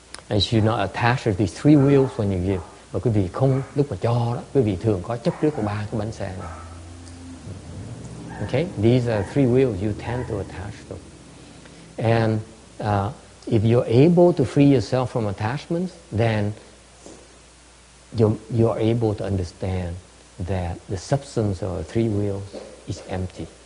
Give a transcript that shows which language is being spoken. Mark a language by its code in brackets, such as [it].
[en] And you're not attached to these three wheels when you give. [vi] Và quý vị không, lúc mà cho đó, quý vị thường có chấp trước của ba cái bánh xe này. [en] Okay? These are three wheels you tend to attach to. And if you're able to free yourself from attachments, then you're able to understand that the substance of three wheels is empty.